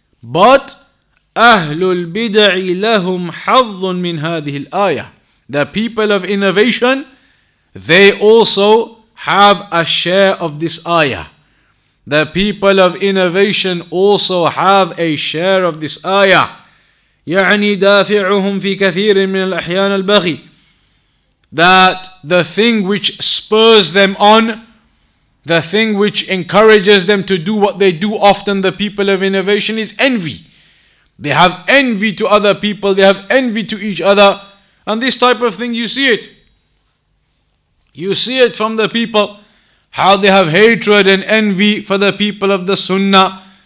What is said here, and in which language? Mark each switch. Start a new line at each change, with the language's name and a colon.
English: But
Arabic: Ahlul Bida'i lahum hadhun min hadhihi al-ayah.
English: The people of innovation, they also have a share of this ayah. The people of innovation also have a share of this ayah.
Arabic: يعني دافعهم في كثير من الأحيان البغي.
English: That the thing which spurs them on, the thing which encourages them to do what they do often, the people of innovation, is envy. They have envy to other people, they have envy to each other. And this type of thing, you see it. You see it from the people, how they have hatred and envy for the people of the Sunnah.